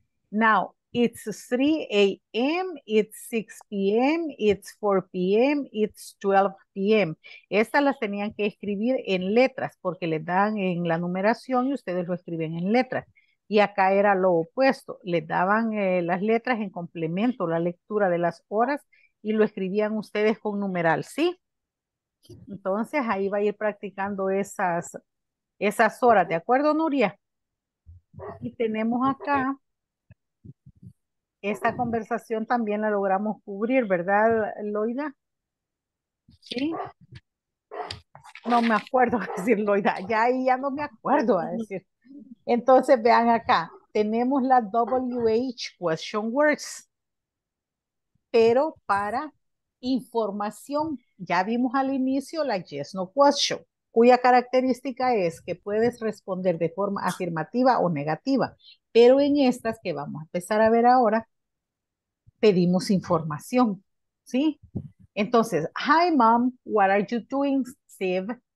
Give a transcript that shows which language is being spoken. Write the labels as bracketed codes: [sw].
[en] Now, it's 3 a.m., it's 6 p.m., it's 4 p.m., it's 12 p.m. [es] Estas las tenían que escribir en letras porque les dan en la numeración y ustedes lo escriben en letras. Y acá era lo opuesto. Les daban las letras en complemento, la lectura de las horas y lo escribían ustedes con numeral, ¿sí? Entonces ahí va a ir practicando esas horas, ¿de acuerdo, Nuria? Y tenemos acá, esta conversación también la logramos cubrir, ¿verdad, Loida? ¿Sí? No me acuerdo, a decir Loida, ya ahí ya no me acuerdo, a decir. Entonces vean acá, tenemos la WH question words, pero para información. Ya vimos al inicio la yes no question, cuya característica es que puedes responder de forma afirmativa o negativa. Pero en estas que vamos a empezar a ver ahora, pedimos información, ¿sí? Entonces, [en] hi mom, what are you doing, Steve?